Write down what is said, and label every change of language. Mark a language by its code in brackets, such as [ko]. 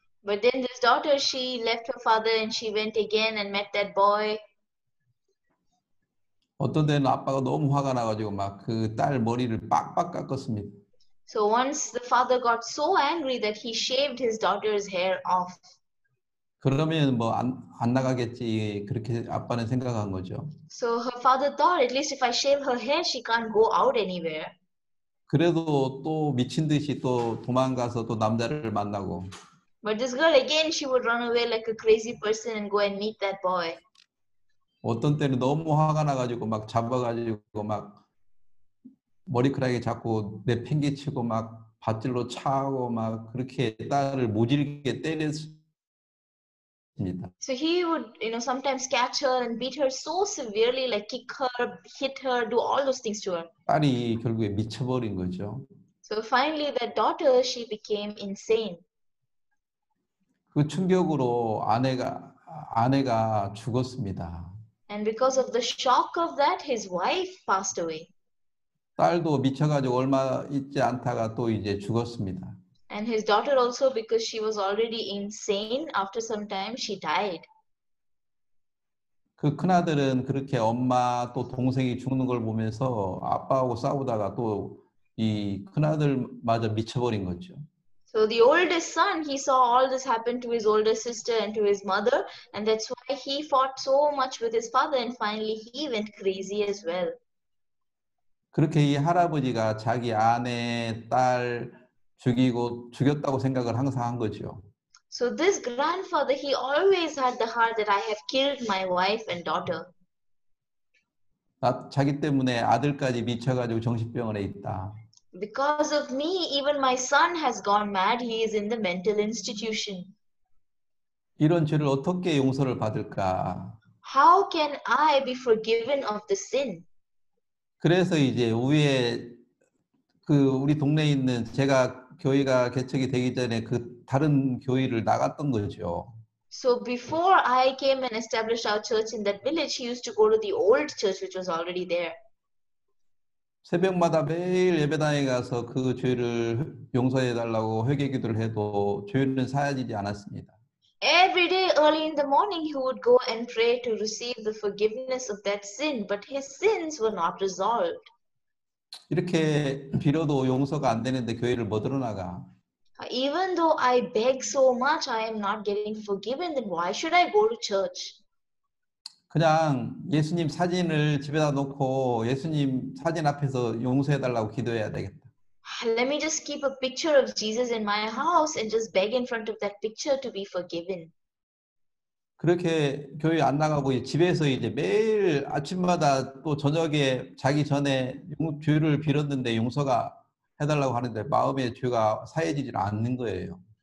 [en] But then this daughter, she left her father and she went again and met that boy. [ko] 어떤 때는 아빠가 너무 화가 나가지고 막그딸 머리를 빡빡 깎았습니다. [en] So once the father got so angry that he shaved his daughter's hair off. [ko] 그러면 뭐안 나가겠지 그렇게 아빠는 생각한 거죠. [en] So her father thought, at least if I shave her hair, she can't go out anywhere. [ko] 그래도 또 미친 듯이 또 도망가서 또 남자를 만나고. [en] But this girl again, she would run away like a crazy person and go and meet that boy. [ko] 어떤 때는 너무 화가 나가지고 막 잡아가지고 막 머리카락에 자꾸 내팽개치고 막 밧줄로 차고 막 그렇게 딸을 모질게 때렸습니다. [en] So he would, sometimes catch her and beat her so severely, like kick her, hit her, do all those things to her. [ko] 딸이 결국에 미쳐버린 거죠. [en] So finally, that daughter, she became insane. [ko] 그 충격으로 아내가 죽었습니다. [en] And because of the shock of that, his wife passed away. [ko] 딸도 미쳐가지고 얼마 있지 않다가 또 이제 죽었습니다. [en] And his daughter also, because she was already insane, after some time she died. [ko] 그 큰아들은 그렇게 엄마 또 동생이 죽는 걸 보면서 아빠하고 싸우다가 또이 큰아들마저 미쳐버린 거죠. [en] So the oldest son, he saw all this happen to his older sister and to his mother, and that's why he fought so much with his father, and finally he went crazy as well. [ko] 그렇게 이 할아버지가 자기 아내, 딸 죽였다고 생각을 항상 한 거죠. [en] So this grandfather, he always had the heart that I have killed my wife and daughter. [ko] 자기 때문에 아들까지 미쳐가지고 정신병원에 있다. [en] Because of me, even my son has gone mad. He is in the mental institution. [ko] 이런 죄를 어떻게 용서를 받을까? [en] How can I be forgiven of the sin? [ko] 그래서 이제 우리의 그 우리 동네에 있는 제가 교회가 개척이 되기 전에 그 다른 교회를 나갔던 거죠. [en] So before I came and established our church in that village, he used to go to the old church which was already there. [ko] 새벽마다 매일 예배당에 가서 그 죄를 용서해 달라고 회개 기도를 해도 죄는 사해지지 않았습니다. [en] Every day early in the morning, he would go and pray to receive the forgiveness of that sin, but his sins were not resolved. [ko] 이렇게 빌어도 용서가 안 되는데 교회를 못 들어나가. [en] Even though I beg so much, I am not getting forgiven, then why should I go to church? [ko] 그냥 예수님 사진을 집에다 놓고 예수님 사진 앞에서 용서해달라고 기도해야 되겠다. [en] Let me just keep a picture of Jesus in my house and just beg in front of that picture to be forgiven. [ko] 그렇게 교회 안 나가고 집에서 이제 매일 아침마다 또 저녁에 자기 전에 죄를 빌었는데 용서가 해달라고 하는데 마음의 죄가 사해지질 않는 거예요.